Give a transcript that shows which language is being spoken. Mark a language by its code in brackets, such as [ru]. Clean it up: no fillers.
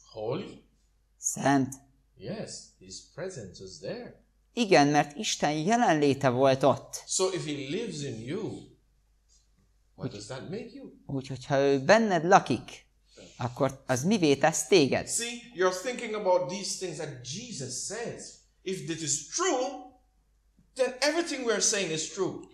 [en] Holy? [hu] Szent. [en] Yes, his presence was there. [hu] Igen, mert Isten jelenléte volt ott. [en] So if he lives in you, what does that make you? [hu] Úgyhogy ha ő benned lakik, akkor az mivé tesz téged? [en] See, you're thinking about these things that Jesus says. If this is true, then everything we're saying is true.